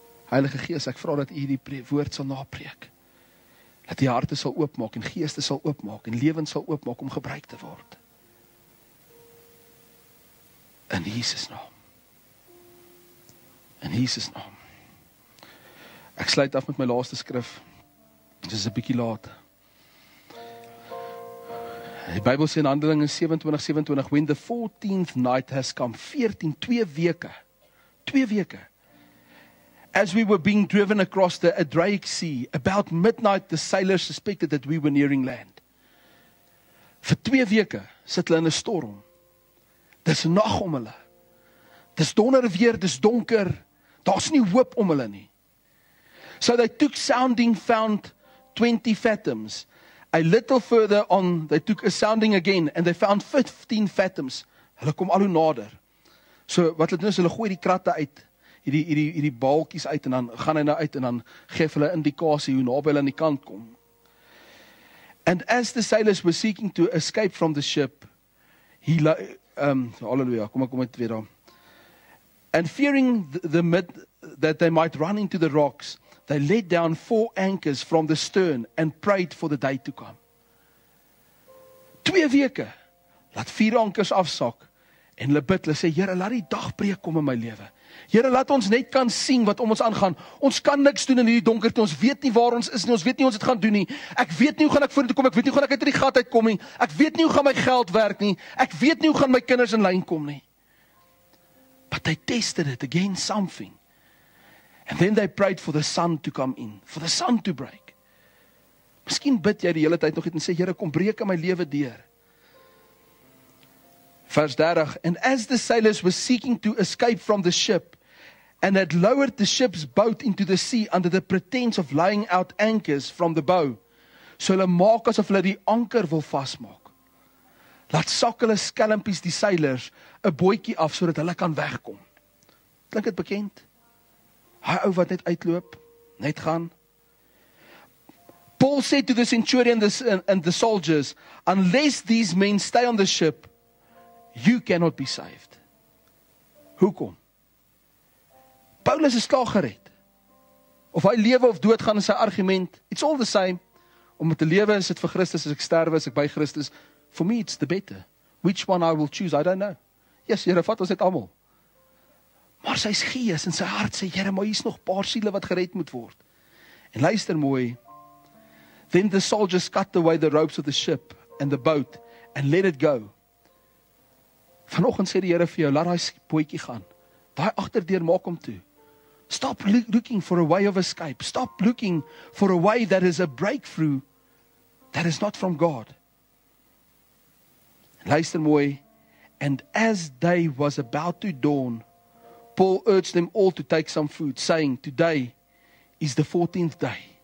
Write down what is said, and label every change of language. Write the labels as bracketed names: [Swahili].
[Afrikaans] Heilige Gees, ek vra dat u die woord sal napreek, dat die harte sal oopmaak, en geeste sal oopmaak, en levens sal oopmaak om gebruik te word. In Jesus naam. In Jesus naam. Ek sluit af met my laaste skrif, dit is 'n bietjie laat. Die Bybel sê in Handelinge 27:27, [English] when the 14th night has come, 14, [Afrikaans] twee weke, [English] as we were being driven across the Adriatic Sea, about midnight the sailors suspected that we were nearing land. [Afrikaans] Vir twee weke sit hulle in 'n storm, dis nag om hulle, dis donder weer, dis donker, daar's nie hoop om hulle nie. [English] So they took sounding, found 20 fathoms. A little further on, they took a sounding again, and they found 15 fathoms. [Afrikaans] Hulle kom al hoe nader. So wat hulle doen is, hulle gooi die kratte uit, hierdie balkies uit, en dan gaan hy nou uit, en dan geef hulle indikasie hoe naby hulle aan die kant kom. [English] And as the sailors were seeking to escape from the ship, and fearing that they might run into the rocks, they let down 4 anchors from the stern and prayed for the day to come. [Afrikaans] 2 weke, laat 4 ankers afsak, en hulle bid, hulle sê, Here, laat die dag breek kom in my lewe. Here, laat ons net kan sien wat om ons aangaan. Ons kan niks doen in die donkerte, ons weet nie waar ons is nie, ons weet nie ons het gaan doen nie. Ek weet nie hoe gaan ek vorentoe kom, ek weet nie hoe gaan ek uit die gat uitkom nie. Ek weet nie hoe gaan my geld werk nie. Ek weet nie hoe gaan my kinders in lyn kom nie. [English] But they tested it again something. And then they prayed for the sun to come in, for the sun to break. [Afrikaans] Miskien bid jy die hele tyd nog iets en sê, Here, kom breek in my lewe deur. Vers 30, [English] and as the sailors were seeking to escape from the ship, and had lowered the ship's boat into the sea under the pretense of laying out anchors from the bow, [Afrikaans] so hulle maak asof hulle die anker wil vasmaak. Laat sak hulle skelmpies die sailors, 'n bootjie af, so dat hulle kan wegkom. Klink het bekend? Hy ou wat net uitloop, net gaan. [English] Paul said to the centurion and the soldiers, unless these men stay on the ship, you cannot be saved. [Afrikaans] Hoekom? Paulus is klaar gered. Of hy lewe of dood gaan in sy argument, [English] it's all the same. [Afrikaans] Om te lewe is dit vir Christus, as ek sterwe is ek by Christus. [English] For me it's the better. Which one I will choose, I don't know. Yes, [Afrikaans] Here, vat ons net almal. Maar sy is gees en sy hart sê, Here, maar hier is nog paar siele wat gered moet word. En luister mooi. [English] Then the soldiers cut away the ropes of the ship and the boat and let it go. [Afrikaans] Vanoggend sê die Here vir jou, laat hy bootjie gaan. Daai agterdeur maak hom toe. [English] Stop looking for a way of escape. Stop looking for a way that is a breakthrough that is not from God. [Afrikaans] En luister mooi. [English] And as day was about to dawn, Paul urged them all to take some food, saying, today is the 14th day.